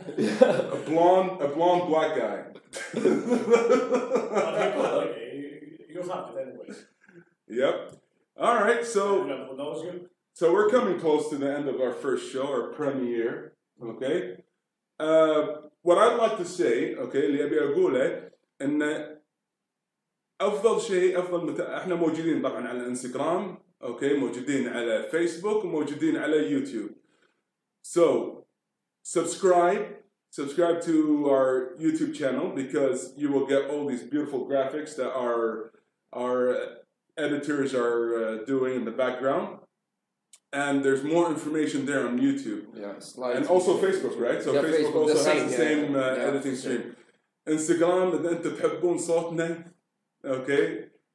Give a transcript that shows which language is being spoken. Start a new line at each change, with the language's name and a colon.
English: Yeah. A blonde black guy. You'll have it anyways. Yep. All right. So. Who knows you? So we're coming close to the end of our first show, our premiere, okay? What I'd like to say, okay,
Arabic: اللي أبي أقوله إن أفضل شيء أفضل إحنا موجودين طبعاً على إنستغرام،
English: okay،
Arabic: موجودين على فيسبوك، موجودين على يوتيوب.
English: So subscribe to our YouTube channel because you will get all these beautiful graphics that our editors are doing in the background. And there's more information there on YouTube. Yeah, and also Facebook, right? So Facebook also has the same editing stream.
Arabic: Instagram, إذا أنت تحبون صوتنا, okay?